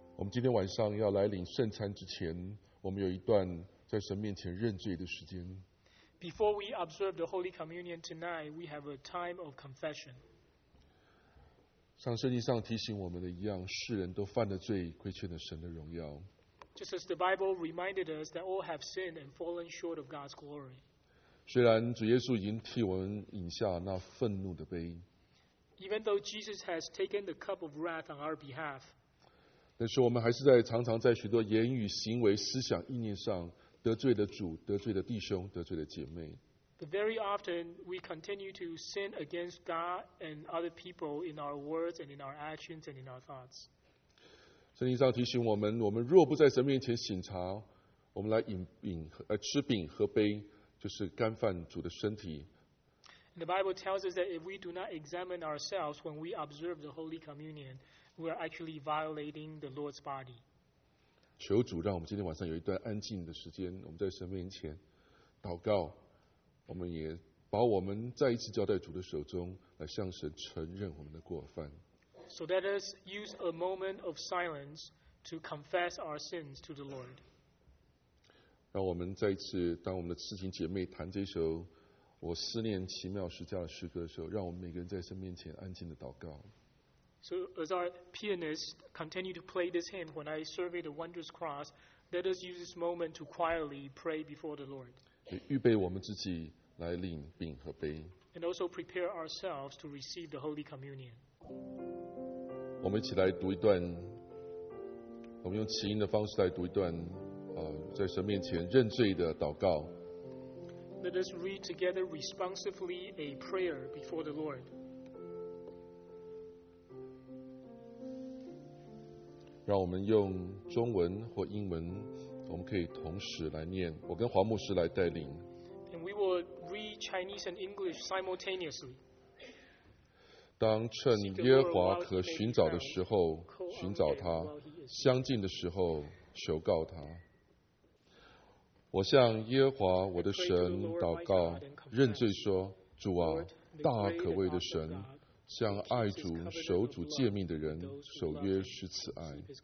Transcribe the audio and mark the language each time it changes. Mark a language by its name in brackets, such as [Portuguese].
[Chinese] 今天晚上要来领圣餐之前，我们有一段在神面前认罪的时间。 [English] Before we observe the Holy Communion tonight, we have a time of confession. [Chinese] 像圣经上提醒我们的一样，世人都犯了罪，亏欠了神的荣耀。 [English] Just as the Bible reminded us that all have sinned and fallen short of God's glory. [Chinese] 虽然主耶稣已经替我们饮下那愤怒的杯。 [English] Even though Jesus has taken the cup of wrath on our behalf. [Chinese] 但是我们还是在常常在许多言语、行为、思想、意念上得罪了主、得罪了弟兄、得罪了姐妹。 [English] But very often we continue to sin against God and other people in our words and in our actions and in our thoughts. [Chinese] 圣经上提醒我们，我们若不在神面前省察，我们来吃饼喝杯，就是干犯主的身体。 [English] The Bible tells us that if we do not examine ourselves when we observe the Holy Communion, we are actually violating the Lord's body. [Chinese] 求主让我们今天晚上有一段安静的时间，我们在神面前祷告，我们也把我们再一次交在主的手中，来向神承认我们的过犯。 [English] So let us use a moment of silence to confess our sins to the Lord. [Chinese] 让我们再一次，当我们的四旬姐妹弹这首我思念奇妙十字架的诗歌的时候，让我们每个人在神面前安静的祷告。 [English] So as our pianist continue to play this hymn, when I survey the wondrous cross, let us use this moment to quietly pray before the Lord. [Chinese] 也预备我们自己来领饼和杯。 [English] And also prepare ourselves to receive the Holy Communion. [Chinese] 我们一起来读一段，我们用起音的方式来读一段，在神面前认罪的祷告。 [English] Let us read together responsively a prayer before the Lord. [Chinese] 让我们用中文或英文，我们可以同时来念。我跟黄牧师来带领。 [English] And we will read Chinese and English simultaneously. [Chinese] 当趁耶和华可寻找的时候寻找他，相近的时候求告他。我向耶和华我的神祷告，认罪说：主啊，大可畏的神，向爱主、守主诫命的人，守约施慈爱。